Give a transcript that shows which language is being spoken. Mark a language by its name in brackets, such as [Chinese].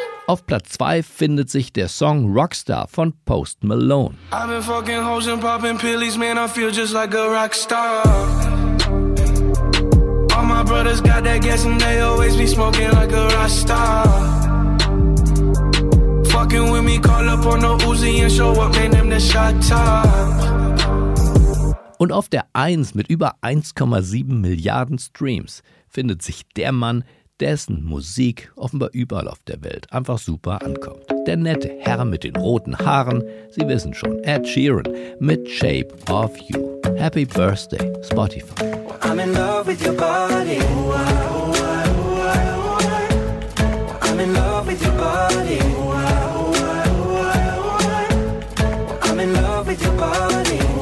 [German] Auf Platz 2 findet sich der Song Rockstar von Post Malone. [English] I've been fucking hoes and popping pillies, man, I feel just like a rockstar. All my brothers got that gas and they always be smoking like a rockstar. Fucking with me, call up on the Uzi and show up, man, them the shot top. [German] Und auf der 1 mit über 1,7 Milliarden Streams findet sich der Mann, dessen Musik offenbar überall auf der Welt einfach super ankommt. Der nette Herr mit den roten Haaren, Sie wissen schon, Ed Sheeran mit Shape of You. [English] Happy Birthday, Spotify. I'm in love with your body. I'm in love with your body. I'm in love with your body.